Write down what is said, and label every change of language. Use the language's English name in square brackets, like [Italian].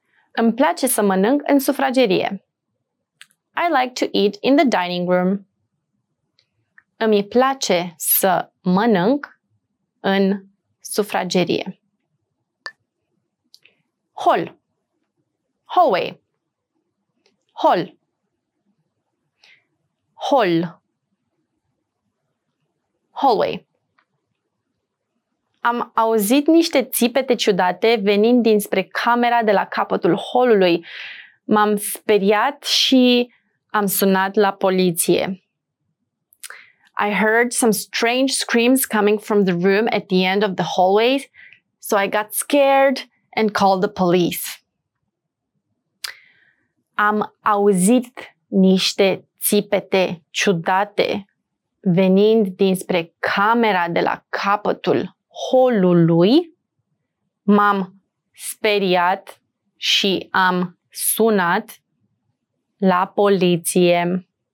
[Romanian] Îmi place să mănânc în sufragerie. [English] I like to eat in the dining room. [Romanian] Îmi place să mănânc în sufragerie. Hall. [English] Hallway. [Romanian] Hall. Hall. [English] Hallway. [Romanian] Am auzit niște țipete ciudate venind dinspre camera de la capătul holului. M-am speriat și am sunat la poliție. [English] I heard some strange screams coming from the room at the end of the hallway, so I got scared and called the police. [Romanian] Am auzit niște țipete ciudate venind dinspre camera de la capătul holului. M-am speriat și am sunat la poliție.